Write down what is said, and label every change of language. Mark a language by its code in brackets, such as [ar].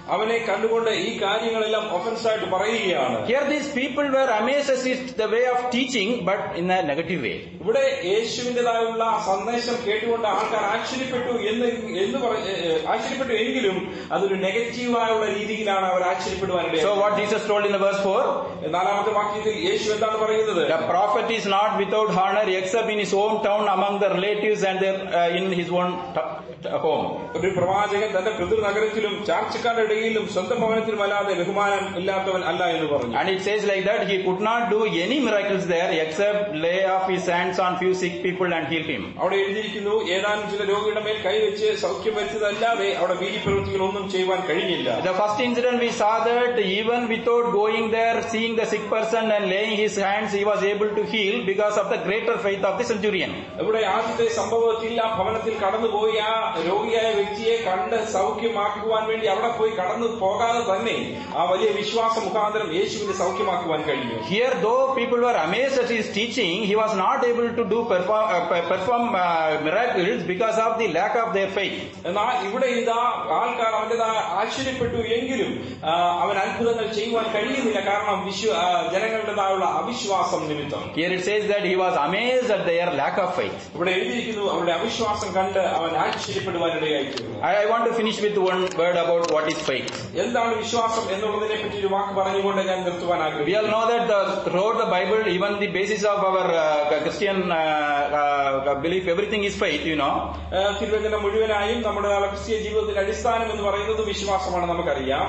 [ml] അവനെ കണ്ടുകൊണ്ട് ഈ കാര്യങ്ങളെല്ലാം ഒഫൻസ് ആയിട്ട് പറയുകയാണ്. [en] Here these people were amazed at the way of teaching, but in a negative way. [ml] ഇവിടെ യേശുവിന്റേതായുള്ള സന്ദേശം കേട്ടുകൊണ്ട് ആൾക്കാർ ആശ്ചര്യപ്പെട്ടു എന്ന് ആശ്ചര്യപ്പെട്ടു എങ്കിലും അതൊരു നെഗറ്റീവ് ആയുള്ള രീതിയിലാണ് അവർ ആശ്ചര്യപ്പെടുവാനിടയായത്. [en] So what Jesus told in the verse 4? [ml] നാലാമത്തെ വാക്യത്തിൽ യേശു എന്താണ് പറയുന്നത്? [en] The prophet is not without honor except in his own town among the relatives and their in his own home. [ml] ഒരു പ്രവാചകൻ തന്റെ പിതൃനഗരത്തിലും ചാർച്ചക്കാരുടെ ഇടയിലും സ്വന്തം ഭവനത്തിലും അല്ലാതെ ബഹുമാനം ഇല്ലാത്തവൻ അല്ല എന്ന് പറഞ്ഞു. [en] And it says like that he could not do any miracles there except lay off his hands on few sick people and heal him. [ml] അവിടെ എഴുതിയിരിക്കുന്നു ഏതാനും ചില രോഗിയുടെ മേൽ കൈവച്ച് സൗഖ്യം വരുത്തിയതല്ലാതെ അവിടെ വീതി പ്രവൃത്തികൾ ഒന്നും ചെയ്യുവാൻ കഴിഞ്ഞില്ല. [en] The first incident we saw that even without going there, seeing the sick person and laying his hands, he was able to heal because of the greater faith of the centurion. [ml] ഇവിടെ ആദ്യത്തെ സംഭവത്തിൽ ആ ഭവനത്തിൽ കടന്നുപോയി ആ രോഗിയായ വ്യക്തിയെ കണ്ട് സൗഖ്യമാക്കുവാൻ വേണ്ടി അവിടെ പോയി കടന്നു പോകാതെ തന്നെ ആ വലിയ വിശ്വാസ മുഖാന്തരം യേശുവിനെ സൗഖ്യമാക്കുവാൻ കഴിഞ്ഞു. [en] Here though people were amazed at his teaching he was not able to do perform miracles because of the lack of their faith. [ml] എന്നാൽ ഇവിടെ ഇതാ ആൾക്കാർ അവന്റേതാ ആശ്ചര്യപ്പെട്ടു എങ്കിലും അവൻ അത്ഭുതങ്ങൾ ചെയ്യുവാൻ കഴിയുന്നില്ല കാരണം ജനങ്ങളുടേതായുള്ള അവിശ്വാസം നിമിത്തം. [en] Here it says that he was amazed at their lack of faith. [ml] ഇവിടെ എഴുതിയിരിക്കുന്നു അവരുടെ അവിശ്വാസം കണ്ട് അവൻ ആശ്ചര്യപ്പെടുവാനിടയായി. [en] I want to finish with one word about what is faith. [ml] എന്താണ് വിശ്വാസം എന്നുള്ളതിനെ പറ്റി ഒരു വാക്ക് പറഞ്ഞുകൊണ്ട് ഞാൻ നിർത്തുവാൻ ആഗ്രഹിക്കുന്നു. [en] We all know that the throughout the Bible, even the basis of our Christian belief, everything is faith, you know. [ml] തിരുവചനം മുഴുവനായും നമ്മുടെ ക്രിസ്തീയ ജീവിതത്തിന്റെ അടിസ്ഥാനം എന്ന് പറയുന്നത് വിശ്വാസമാണ് നമുക്കറിയാം.